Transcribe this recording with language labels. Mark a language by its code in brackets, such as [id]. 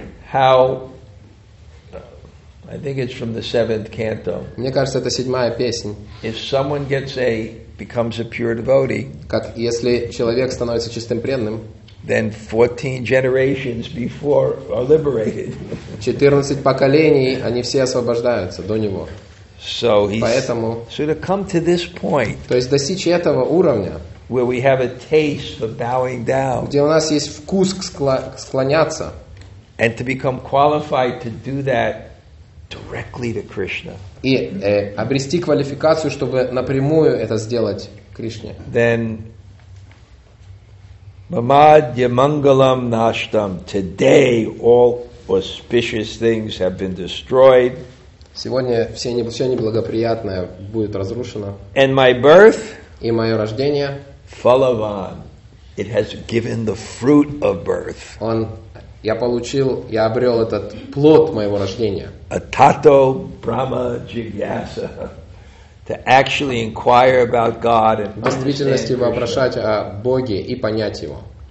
[en] How, I think it's from the seventh canto. [ru] Мне кажется, это седьмая песня. [en] If someone gets a becomes a pure devotee, [ru] как если человек становится чистым преданным, [en] then 14 generations before are liberated. [ru] 14 поколений, они все освобождаются до него. [en] So [ru] поэтому, [en] so to come to this point, [ru] то есть достичь этого уровня, [en] where we have a taste of bowing down, [ru] где у нас есть вкус к склоняться, [en] and to become qualified to do that directly to Krishna, [ru] и обрести квалификацию, чтобы напрямую это сделать Кришне, [sa] then Mamadya Mangalam Nashtam. [en] Today all auspicious things have been destroyed. [ru] Сегодня все неблагоприятное будет разрушено. [en] And my birth, [ru] и мое рождение, [en] Falavan, it has given the fruit of birth. [ru] Он, я обрел этот плод моего рождения. [sa] Atato Brahma Jivyasa. [en] To actually inquire about God and [ru] в действительности вопрошать о Боге и понять его.